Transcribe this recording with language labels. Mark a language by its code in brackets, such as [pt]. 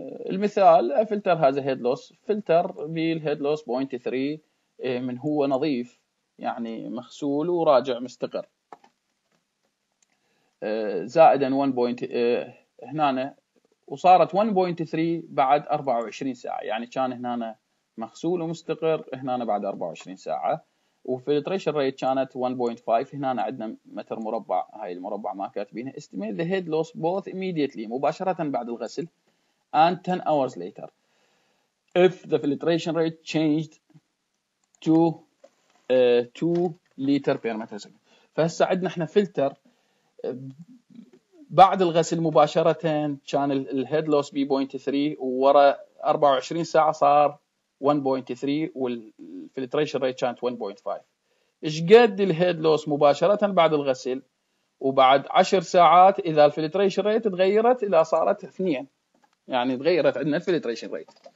[ar] المثال فلتر هذا هيد لوس، فلتر بالهيد لوس 0.3 من هو نظيف يعني مغسول وراجع مستقر، زائدا 1.0 هنا وصارت 1.3 بعد 24 ساعة، يعني كان هنا مغسول ومستقر هنا بعد 24 ساعة، وفلتريشن ريت كانت 1.5 هنا عندنا متر مربع، هاي المربع ما كاتبينه. [en] estimate the head loss both immediately [ar] مباشرة بعد الغسل [en] and 10 hours later if the filtration rate changed to 2 liter per meter second. [ar] فهسه عندنا احنا فلتر بعد الغسل مباشرة كان الهيد لوس بي 0.3 وورا 24 ساعة صار 1.3 والفلتريشن ريت كانت 1.5. ايش قد الهيد لوس مباشرة بعد الغسل وبعد 10 ساعات اذا الفلتريشن ريت تغيرت الى صارت 2، يعني تغيرت عندنا الفلتريشن ريت.